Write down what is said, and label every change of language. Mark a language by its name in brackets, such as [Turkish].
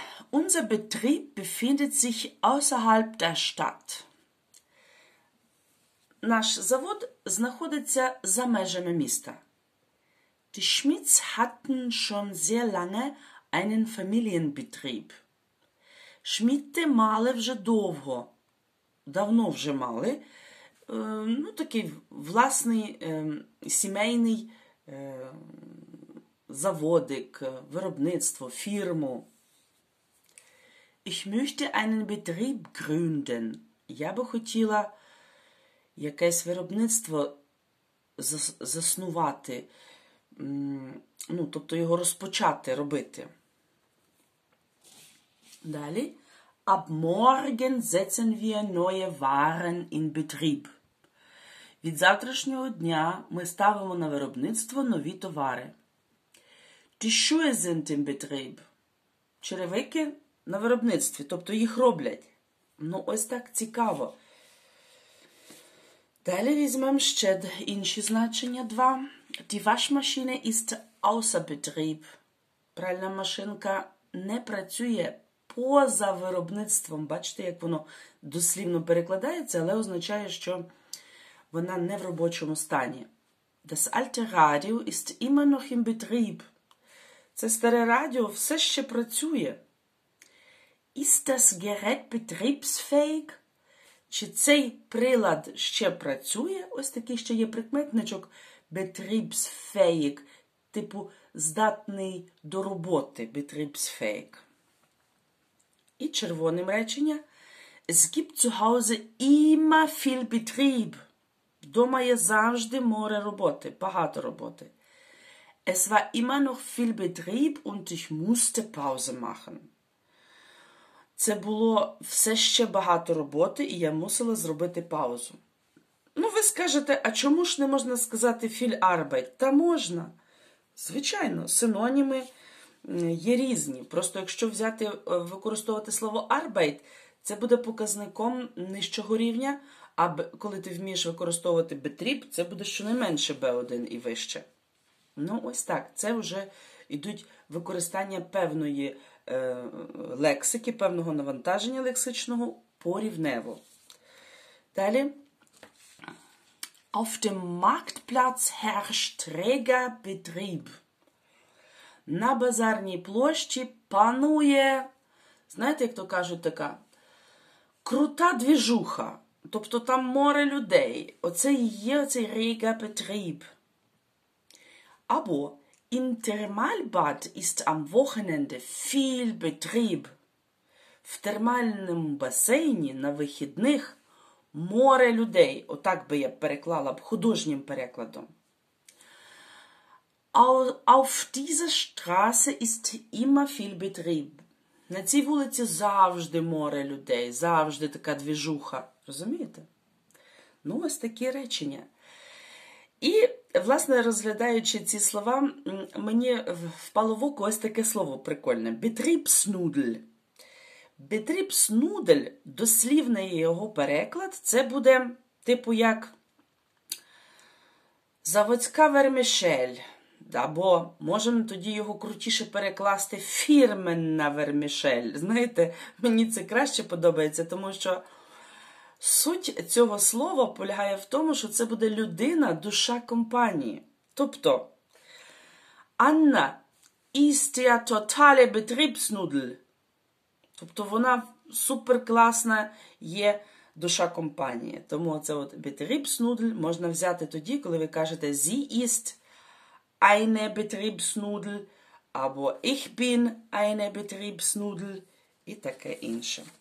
[German] Unser Betrieb befindet sich außerhalb der Stadt. [Ukrainian] Наш завод знаходиться за межами міста. [German] Die Schmidts hatten schon sehr lange einen Familienbetrieb. [Ukrainian] Schmidte мали вже довго, давно вже мали, ну, такий власний сімейний заводик, виробництво, фірму. [German] Ich möchte einen Betrieb gründen. [Ukrainian] Я би хотіла якесь виробництво заснувати, ну, тобто його розпочати, робити. Далі. [German] Ab morgen setzen wir neue Waren in Betrieb. [Ukrainian] Від завтрашнього дня ми ставимо на виробництво нові товари. [German] Die Schuhe sind in Betrieb. [Ukrainian] Черевики На виробництві, тобто їх роблять. Ну, ось так цікаво. Далі візьмемо ще інші значення, два. [German] Die Waschmaschine ist außer Betrieb. [Ukrainian] Пральна машинка не працює поза виробництвом. Бачите, як воно дослівно перекладається, але означає, що вона не в робочому стані. [German] Das alte Radio ist immer noch im Betrieb. [Ukrainian] Це старе радіо все ще працює. [German] Ist das Gerät betriebsfähig? [Ukrainian] Чи цей прилад ще працює? Ось такий ще є прикметничок. Betriebsfähig. Типу, здатний до роботи. Betriebsfähig. І червоним речення. [German] Es gibt zu Hause immer viel Betrieb. [Ukrainian] Вдома є завжди море роботи. Багато роботи. [German] Es war immer noch viel Betrieb und ich musste Pause machen. [Ukrainian] Це було все ще багато роботи, і я мусила зробити паузу. Ну, ви скажете, а чому ж не можна сказати [German] «viel Arbeit»? [Ukrainian] Та можна. Звичайно, синоніми є різні. Просто якщо взяти, використовувати слово «Arbeit», це буде показником нижчого рівня, а коли ти вмієш використовувати «betrieb», це буде щонайменше B1 і вище. Ну, ось так. Це вже йдуть використання певної лексики, певного навантаження лексичного порівнево. Далі. [German] Auf dem Marktplatz herrscht reger Betrieb. [Ukrainian] На базарній площі панує, знаєте, як то кажуть, така крута двіжуха. Тобто там море людей. Оце і є оцей [German] reger Betrieb. [Ukrainian] Або [German] Im Thermalbad ist am Wochenende viel Betrieb. [Ukrainian] В термальному басейні на вихідних море людей. Отак би я переклала б художнім перекладом. [German] Auf dieser Straße ist immer viel Betrieb. [Ukrainian] На цій вулиці завжди море людей, завжди така двіжуха. Розумієте? Ну, ось такі речення. І, власне, розглядаючи ці слова, мені впало в око ось таке слово прикольне. [German] Betriebsnudel. [Ukrainian] Betriebsnudel, дослівний його переклад, це буде типу як заводська вермішель. Або можемо тоді його крутіше перекласти фірменна вермішель. Знаєте, мені це краще подобається, тому що суть цього слова полягає в тому, що це буде людина, душа компанії. Тобто, [German] Анна ist ja totale Betriebsnudel. [Ukrainian] Тобто, вона суперкласна є душа компанії. Тому це от Betriebsnudel можна взяти тоді, коли ви кажете [German] Sie ist eine Betriebsnudel [Ukrainian] або [German] Ich bin eine Betriebsnudel [Ukrainian] і таке інше.